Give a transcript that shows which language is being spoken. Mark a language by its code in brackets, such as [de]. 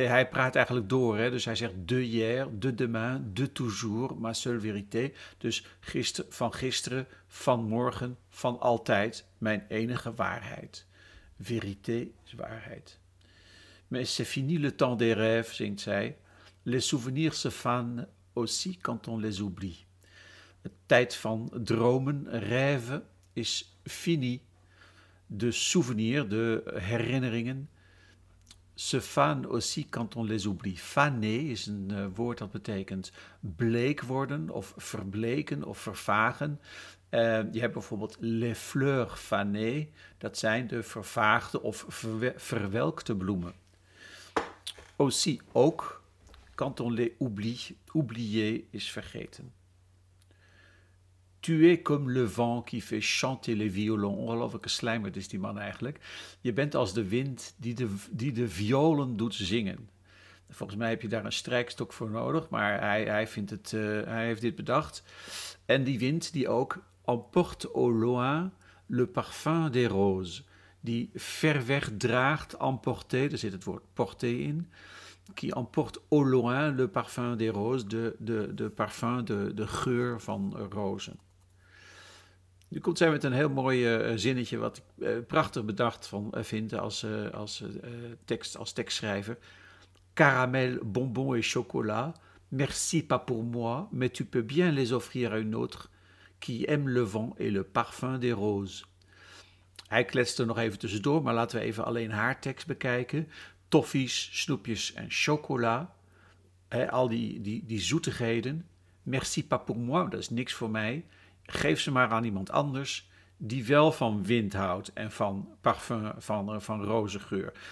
[nl] Hij praat eigenlijk door, hè? Dus hij zegt [fr] de hier, de demain, de toujours ma seule vérité. [nl] Dus van gisteren, van morgen, van altijd, mijn enige waarheid. Vérité is waarheid. [fr] Mais c'est fini le temps des rêves, [nl] zingt zij. [fr] Les souvenirs se fanent aussi quand on les oublie. [nl] De tijd van dromen, rêven, is fini. De souvenir, de herinneringen. [fr] Se fanent aussi quand on les oublie. [nl] Faner is een woord dat betekent bleek worden of verbleken of vervagen. Je hebt bijvoorbeeld [fr] les fleurs fanées. [nl] Dat zijn de vervaagde of verwelkte bloemen. [fr] Aussi, ook, quand on les oublie. Oublier [nl] is vergeten. [fr] Tu es comme le vent qui fait chanter les violons. [nl] Ongelooflijke slijmerd is die man eigenlijk. Je bent als de wind die de violen doet zingen. Volgens mij heb je daar een strijkstok voor nodig, maar hij heeft dit bedacht. En die wind die ook [fr] emporte au loin le parfum des roses. [nl] Die ver weg draagt, emporté, daar zit het woord porté in. [fr] Qui emporte au loin le parfum des roses, [nl] de geur van rozen. Nu komt zij met een heel mooi zinnetje, wat ik prachtig bedacht vind als tekstschrijver. [fr] Caramel, bonbon et chocolat, merci pas pour moi, mais tu peux bien les offrir à une autre qui aime le vent et le parfum des roses. [nl] Hij kletste nog even tussendoor, maar laten we even alleen haar tekst bekijken. Toffies, snoepjes en chocola. He, al die zoetigheden. [fr] Merci pas pour moi, [nl] dat is niks voor mij. Geef ze maar aan iemand anders die wel van wind houdt en van parfum, van rozengeur.